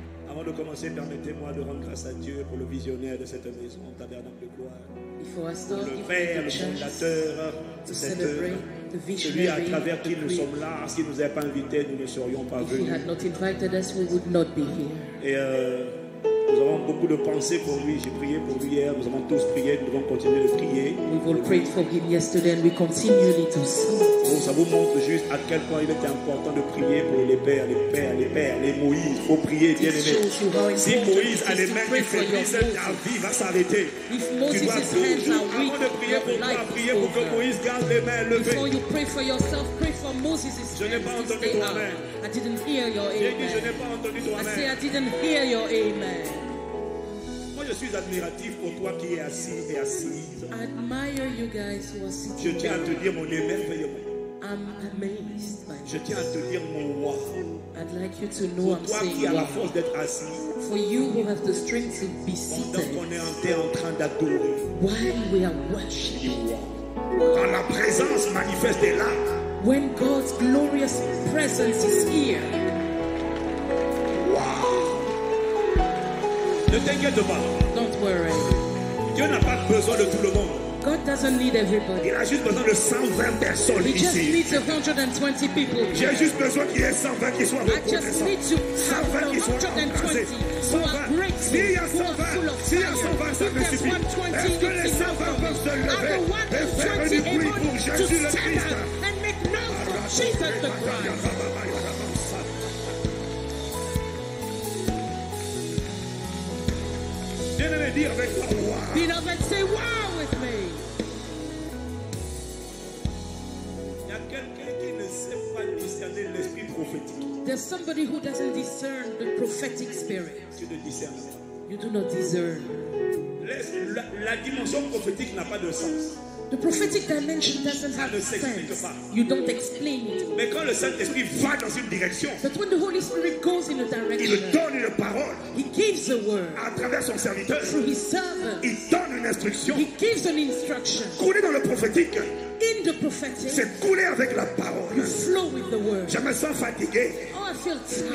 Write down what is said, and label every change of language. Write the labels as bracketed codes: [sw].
[fr] Avant de commencer, permettez-moi de rendre grâce à Dieu pour le visionnaire de cette maison, tabernacle de gloire. Il faut assister le Père, le fondateur de cette œuvre. Celui à travers qui nous sommes là, s'il ne nous avait pas invités, nous ne serions pas venus. [en] If he had not invited us, we would not be here. [fr] Et nous avons beaucoup de pensées pour lui. J'ai prié pour lui hier. Nous avons tous prié. Nous devons continuer de prier. [en] We've all prayed for him yesterday and we continually do so. [fr] Bon, ça vous montre juste à quel point il était important de prier pour les pères, les pères, les pères, les Moïse. Il faut prier, bien aimé. Si Moïse a les mains qui faiblissent, ta vie va s'arrêter. Tu dois toujours, avant de prier pour toi, prier pour que Moïse garde les mains levées. [en] Before you pray for yourself, pray for Moses' hands. [fr] Je n'ai pas entendu ton amen. [en] I didn't hear your amen. I say I didn't hear your amen. [fr] Moi, je suis admiratif pour toi qui es assis et assise. [en] I admire you guys who are sitting. [fr] Je tiens à te dire mon émerveillement. [en] I'm amazed by you. [fr] Je tiens à te dire mon wow. [en] I'd like you to know [fr] pour toi [en] I'm [fr] qui as la force d'être assis. [en] For you who have the strength to be seated. [fr] Pendant qu'on est en terre en train d'adorer. [en] While we are worshiping. [fr] Quand la présence manifeste est là. [en] When God's glorious presence is here. Wow. [fr] Ne t'inquiète pas. [en] Don't worry. [fr] Dieu n'a pas besoin de tout le monde. [en] God doesn't need everybody. [fr] Il a juste besoin de 120 personnes ici. [en] He just needs 120 people. [fr] J'ai juste besoin qu'il y ait 120 qui soient reconnaissants. [en] I just need to have 120 who are grateful, [fr] s'il y a 120, [en] who are full of fire. [fr] Si 120, ça me suffit. Est-ce que les 120 peuvent se lever et faire du bruit pour Jésus le Christ? [en] She said the cry. Beloved, say wow with me. There's somebody who doesn't discern the prophetic spirit. You do not discern. Let [fr] La dimension prophétique n'a pas de sens. [en] The prophetic dimension doesn't have sense. You don't explain it. [fr] Mais quand le Saint-Esprit va dans une direction, [en] but when the Holy Spirit goes in a direction, [fr] il donne une parole. [en] He gives a word. [fr] À travers son serviteur, [en] through his servant, [fr] il donne une instruction. [en] He gives an instruction. [fr] Couler dans le prophétique, [en] in the prophetic, [fr] c'est couler avec la parole. [en] You flow with the word. [fr] Je me sens fatigué. [en] Oh, I feel tired.